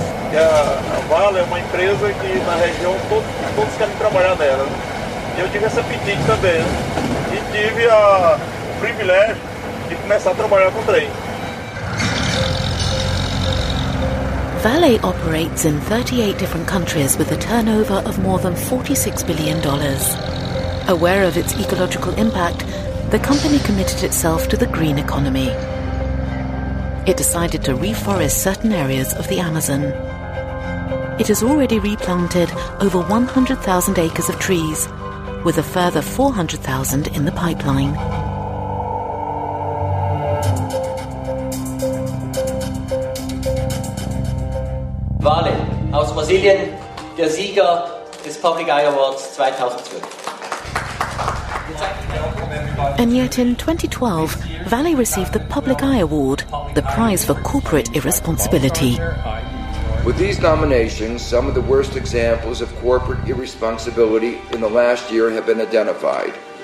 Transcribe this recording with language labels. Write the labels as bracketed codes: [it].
[pt] Que a Vale é uma empresa que na região todos querem trabalhar nela. E eu tive esse apetite também, né? E tive o privilégio de começar a trabalhar com o trem. [en] Vale operates in 38 different countries with a turnover of more than $46 billion. Aware of its ecological impact, the company committed itself to the green economy. It decided to reforest certain areas of the Amazon. It has already replanted over 100,000 acres of trees, with a further 400,000 in the pipeline. [de] Vale, aus Brasilien, der Sieger des Public Eye Awards 2012. [en] And yet in 2012, Vale received the Public Eye Award, the prize for corporate irresponsibility. With these nominations, some of the worst examples of corporate irresponsibility in the last year have been identified.